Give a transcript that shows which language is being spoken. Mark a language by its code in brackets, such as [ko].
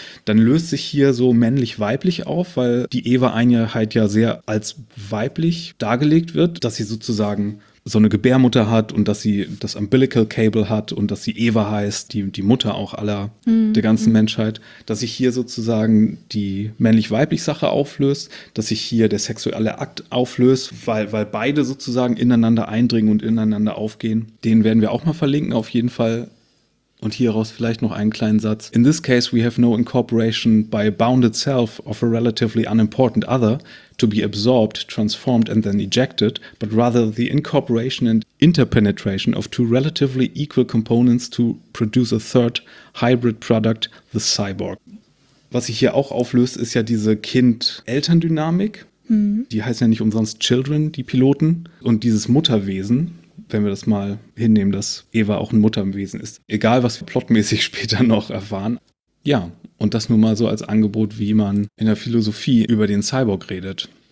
[de] dann löst sich hier so männlich-weiblich auf, weil die Eva-Einheit ja sehr als weiblich dargelegt wird, dass sie sozusagen so eine Gebärmutter hat und dass sie das Umbilical Cable hat und dass sie Eva heißt, die Mutter auch aller der ganzen Menschheit, dass sich hier sozusagen die männlich-weiblich Sache auflöst, dass sich hier der sexuelle Akt auflöst, weil beide sozusagen ineinander eindringen und ineinander aufgehen. Den werden wir auch mal verlinken auf jeden Fall. Und hieraus vielleicht noch einen kleinen Satz. [en] In this case we have no incorporation by a bounded self of a relatively unimportant other to be absorbed, transformed and then ejected, but rather the incorporation and interpenetration of two relatively equal components to produce a third hybrid product, the cyborg. [de] Was sich hier auch auflöst, ist ja diese Kind-Eltern-Dynamik. Die heißen ja nicht umsonst Children, die Piloten. Und dieses Mutterwesen, wenn wir das mal hinnehmen, dass Eva auch ein Mutterwesen ist. Egal, was wir plotmäßig später noch erfahren. Ja, und das nur mal so als Angebot, wie man in der Philosophie über den Cyborg redet.